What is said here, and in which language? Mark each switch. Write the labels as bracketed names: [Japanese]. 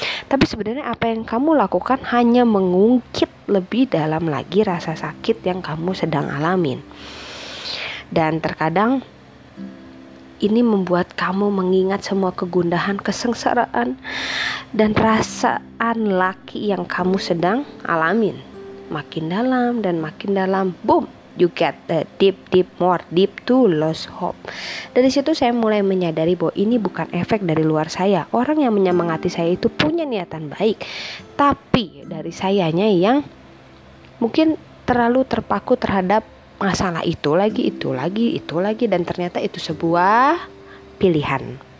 [Indonesian] Tapi sebenarnya apa yang kamu lakukan hanya mengungkit lebih dalam lagi rasa sakit yang kamu sedang alamin. Dan terkadang ini membuat kamu mengingat semua kegundahan, kesengsaraan, dan perasaan laki yang kamu sedang alamin. Makin dalam dan makin dalam, boom! [English] You get the deep, more deep to lose hope. [Indonesian] Dari situ saya mulai menyadari bahwa ini bukan efek dari luar saya. Orang yang menyemangati saya itu punya niatan baik, tapi dari sayanya yang mungkin terlalu terpaku terhadap masalah itu lagi, itu lagi, itu lagi, dan ternyata itu sebuah pilihan.